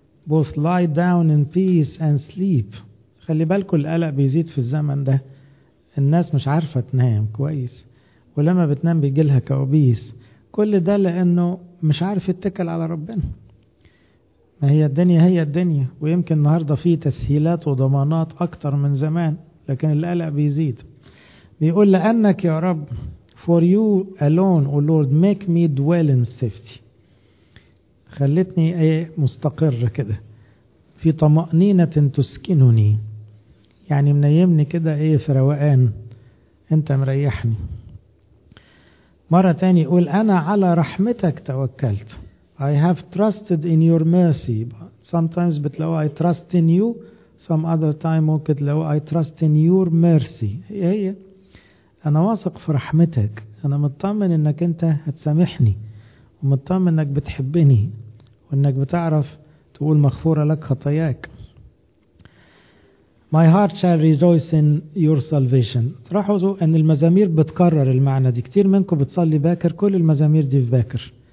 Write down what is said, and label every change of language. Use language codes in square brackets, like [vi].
[en] Both lie down in peace and sleep. [ar] خلي بالكم القلق بيزيد في الزمن ده، الناس مش عارفة تنام كويس، ولما بتنام بيجيلها كوابيس. كل ده لانه مش عارف يتكل على ربنا. هي الدنيا هي الدنيا، ويمكن النهاردة فيه تسهيلات وضمانات أكتر من زمان، لكن القلق بيزيد. بيقول لأنك يا رب، [en] for you alone, O Lord, make me dwell in safety. [ar] خلتني مستقر كده، في طمأنينة تسكنني، يعني منيمني كده في روقان، أنت مريحني. مرة تاني يقول أنا على رحمتك توكلت. [en] I have trusted in your mercy. Sometimes [ar] بتلاقوا [en] I trust in you. Some other time [ar] ممكن تلاقوا [en] I trust in your mercy. [ar] هي أنا واثق في رحمتك. أنا مطمن إنك أنت هتسامحني. ومطمن إنك بتحبني. وإنك بتعرف تقول مغفورة لك خطاياك. [en] My heart shall rejoice in your salvation. [ar] تلاحظوا إن المزامير بتكرر المعنى دي. كتير منكم بتصلي باكر، كل المزامير دي في باكر.